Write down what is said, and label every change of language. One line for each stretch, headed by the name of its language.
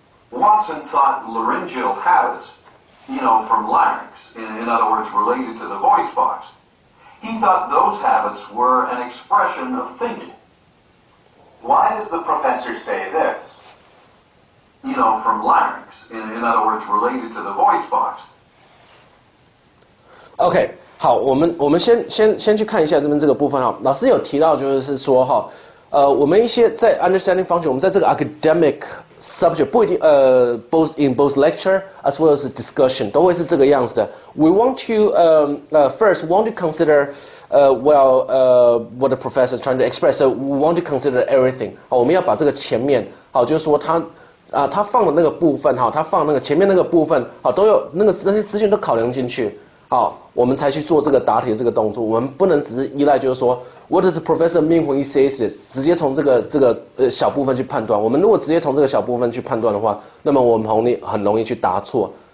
English: Watson thought laryngeal habits, from larynx, in other words, related to the voice box. He thought those habits were an expression of thinking. Why does the professor say this? From larynx, in other words, related to the voice box. Okay.
Chinese: 好，我们先去看一下这边这个部分哈。老师有提到就是说哈，我们一些在 understanding function， 我们在这个 academic subject 不一定
English: both lecture as well as discussion
Chinese: 都会是这个样子的。
English: We want to first want to consider what the professor is trying to express. So we want to consider everything.
Chinese: 好，我们要把这个前面好，就是说他放的那个部分哈，他放那个前面那个部分好，都有那些资讯都考量进去。好，我们才去做这个答题这个动作。我们不能只是依赖，就是说
English: ，What does the professor mean when he says this？
Chinese: 直接从这个小部分去判断。我们如果直接从这个小部分去判断的话，那么我们很容易去答错。